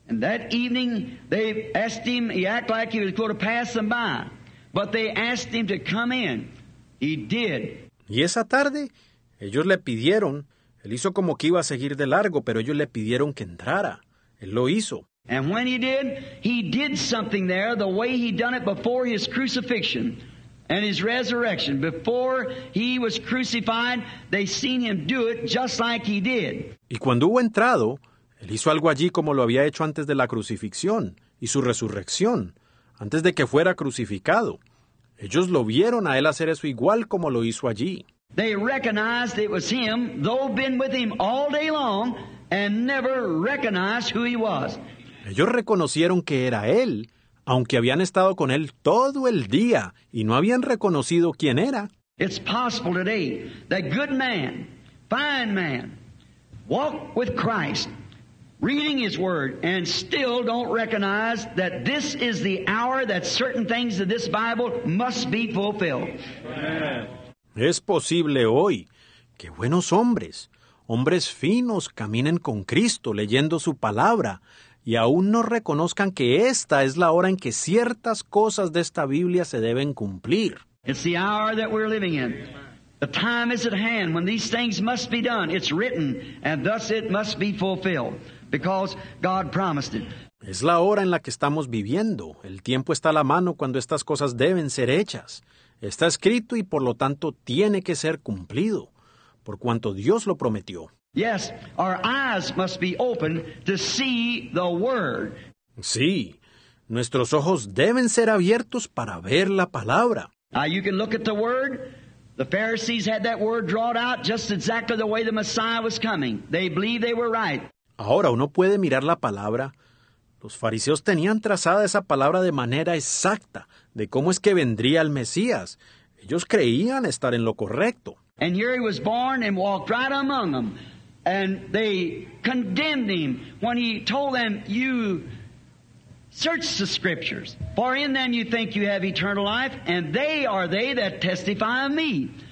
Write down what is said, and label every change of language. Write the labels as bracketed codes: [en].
[en] And that evening they asked him, he acted like he was going to pass them by, but they asked him to come in. He did. [es] Y esa tarde ellos le pidieron, él hizo como que iba a seguir de largo, pero ellos le pidieron que entrara. Él lo hizo. [en] And when he did something there the way he'd done it before his crucifixion. And his resurrection, before he was crucified, they seen him do it just like he did. [es] Y cuando hubo entrado, él hizo algo allí como lo había hecho antes de la crucifixión y su resurrección, antes de que fuera crucificado. Ellos lo vieron a él hacer eso igual como lo hizo allí. [en] They recognized it was him, though been with him all day long, and never recognized who he was. [es] Ellos reconocieron que era él, aunque habían estado con él todo el día y no habían reconocido quién era. [en] It's possible today that good man, fine man, walk with Christ, reading His Word, and still don't recognize that this is the hour that certain things of this Bible must be fulfilled. [es] Es posible hoy que buenos hombres, hombres finos, caminen con Cristo leyendo su palabra y aún no reconozcan que esta es la hora en que ciertas cosas de esta Biblia se deben cumplir. [en] It's the hour that we're living in. The time is at hand when these things must be done. It's written, and thus it must be fulfilled, because God promised it. [es] Es la hora en la que estamos viviendo. El tiempo está a la mano cuando estas cosas deben ser hechas. Está escrito y, por lo tanto, tiene que ser cumplido, por cuanto Dios lo prometió. [en] Yes, our eyes must be open to see the Word. [es] Sí, nuestros ojos deben ser abiertos para ver la Palabra. [en] You can look at the Word. The Pharisees had that Word drawn out just exactly the way the Messiah was coming. They believed they were right. [es] Ahora uno puede mirar la Palabra. Los fariseos tenían trazada esa Palabra de manera exacta de cómo es que vendría el Mesías. Ellos creían estar en lo correcto. [en] And here he was born and walked right among them. And they condemned him when he told them, "You search the Scriptures, for in them you think you have eternal life, and they are they that testify of me."